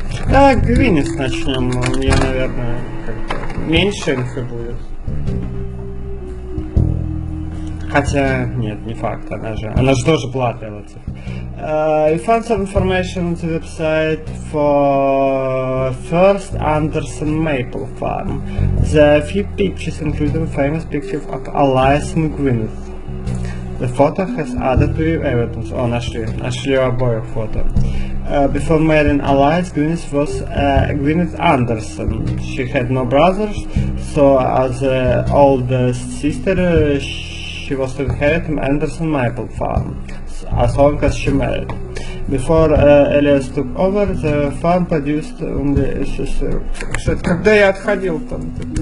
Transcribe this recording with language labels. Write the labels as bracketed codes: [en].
[ru] Так, Гвинис начнем, у меня, наверное, как-то меньше инфы будет. Хотя, нет, не факт, она же тоже была релатив. [en] You found some information on the website for First Anderson Maple Farm. There are a few pictures, including famous pictures of Elias and Gwyneth. The photo has added to your evidence. [ru] О, нашли обоих фото. [en] Before marrying Elias, Gwyneth was Gwyneth Anderson. She had no brothers, so as the oldest sister, she was to inherit Anderson Maple Farm, as long as she married. Before Elias took over, the farm produced only syrup. [ru] Shit, когда я отходил там?